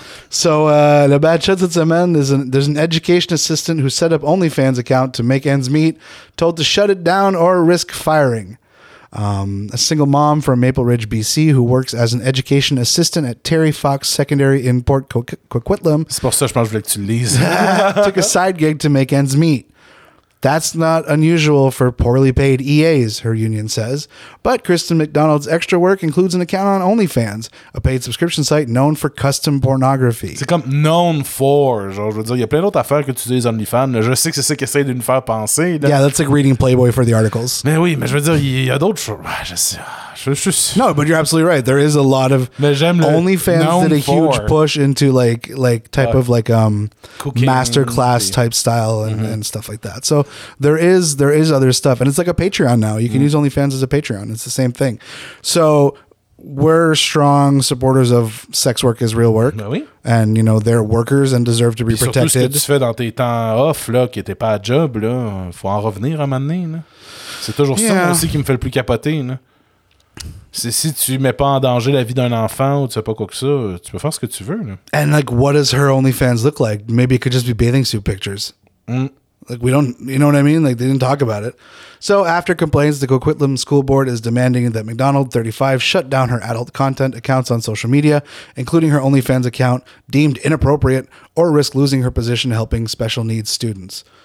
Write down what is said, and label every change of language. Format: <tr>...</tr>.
<en>So,</en> <fr>le Batchat cette semaine,</fr> <en>there's an education assistant who set up OnlyFans account to make ends meet, told to shut it down or risk firing. A single mom from Maple Ridge, BC, who works as an education assistant at Terry Fox Secondary in Port Coquitlam.</en> <fr>C'est pour ça, je pense que je voulais que tu lises.</fr> <en>Took a side gig to make ends meet. That's not unusual for poorly paid EAs, her union says. But Kristen McDonald's extra work includes an account on OnlyFans, a paid subscription site known for custom pornography.</en> <fr>C'est comme</fr> <en>known for.</en> <fr>Genre, je veux dire, il y a plein d'autres affaires que tu dis OnlyFans. Je sais que c'est ça qui essaie de nous faire penser. Là.</fr> <en>Yeah, that's like reading Playboy for the articles.</en> <fr>Mais oui, mais je veux dire, il y a d'autres choses. Je sais.</fr> <en>No, but you're absolutely right. There is a lot of OnlyFans did a huge push into like type of like masterclass type style and, mm-hmm. and stuff like that. So there is other stuff, and it's like a Patreon now. You can use OnlyFans as a Patreon. It's the same thing. So we're strong supporters of sex work is real work.</en> <fr>Ben oui.</fr> <en>And you know they're workers and deserve to be</en> <fr>surtout</fr> <en>protected.</en> <fr>Surtout ce que tu fais dans tes temps off là, qui n'étaient pas à job là, faut en revenir un moment donné. Là. C'est toujours ça aussi qui me fait le plus capoter. Là. C'est si tu mets pas en danger la vie d'un enfant ou tu sais pas quoi que ça, tu peux faire ce que tu veux. Là.</fr> <en>And like, what does her OnlyFans look like? Maybe it could just be bathing suit pictures. Mm. Like, we don't, you know what I mean? Like, they didn't talk about it. So, after complaints, the Coquitlam School Board is demanding that McDonald, 35, shut down her adult content accounts on social media, including her OnlyFans account, deemed inappropriate, or risk losing her position helping special needs students.</en>